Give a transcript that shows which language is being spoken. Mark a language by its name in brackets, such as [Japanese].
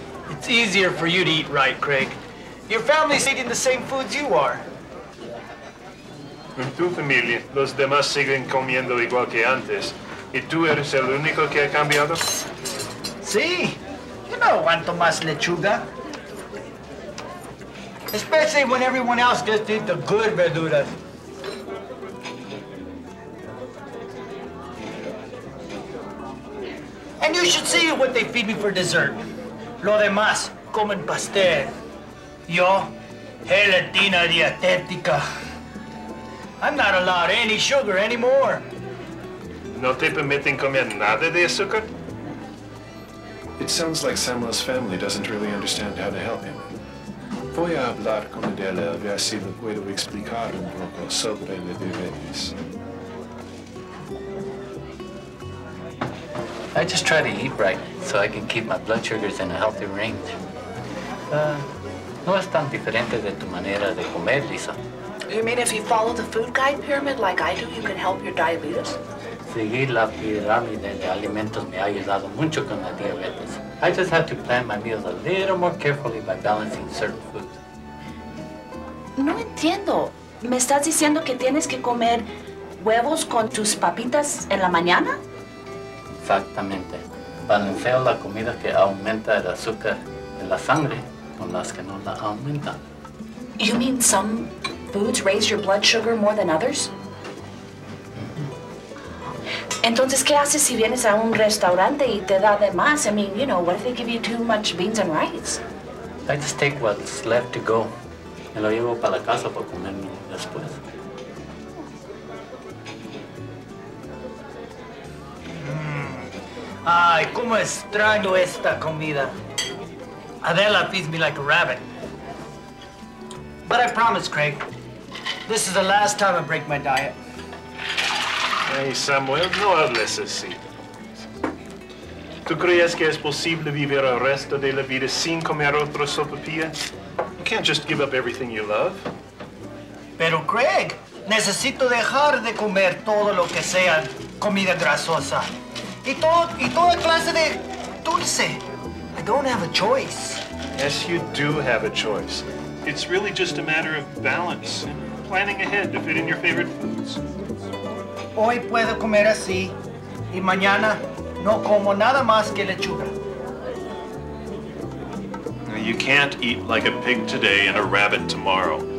[English] It's easier for you to eat right, Craig. Your family's eating the same foods you are. [Spanish] En tu familia, los demás siguen comiendo igual que antes. ¿Y tú eres el único que ha cambiado? Sí. Yo no aguanto más lechuga. [English] Especially when everyone else gets to eat the good verduras. And you should see what they feed me for dessert. [Spanish] Lo demás comen pastel. Yo, gelatina dietética. [English] I'm not allowed any sugar anymore. [Spanish] ¿No te permiten comer nada de azúcar? [English] It sounds like Samuel's family doesn't really understand how to help him. [Spanish] Voy a hablar con Adela a ver si le puedo explicar un poco sobre la diabetes. [English] I just try to eat right so I can keep my blood sugars in a healthy range. [Spanish] No es tan diferente de tu manera de comer, Lisa. [English] You mean if you follow the food guide pyramid like I do, you can help your diabetes? [Spanish] Seguir la pirámide de alimentos me ha ayudado mucho con la diabetes. [English] I just have to plan my meals a little more carefully by balancing certain foods. [Spanish] No entiendo. ¿Me estás diciendo que tienes que comer huevos con tus papitas en la mañana? Exactamente. Balanceo la comida que aumenta el azúcar en la sangre con las que no la aumenta. [English] You mean some foods raise your blood sugar more than others? [Spanish] Entonces, ¿qué haces si vienes a un restaurante y te da de más? [English] I mean, you know, what if they give you too much beans and rice? I just take what's left to go. [Spanish] Me lo llevo para la casa para comerme después. Ay, cómo extraño esta comida. [English] Adela feeds me like a rabbit. But I promise, Craig, this is the last time I break my diet. [Spanish] Hey, Samuel, no hables así. ¿Tú crees que es posible vivir el resto de la vida sin comer otra sopapilla? [English] You can't just give up everything you love. [Spanish] Pero, Craig, necesito dejar de comer todo lo que sea comida grasosa. Y toda clase de dulce. [English] I don't have a choice. Yes, you do have a choice. It's really just a matter of balance and planning ahead to fit in your favorite foods. [Spanish] Hoy puedo comer así, y mañana no como nada más que lechuga. [English] You can't eat like a pig today and a rabbit tomorrow.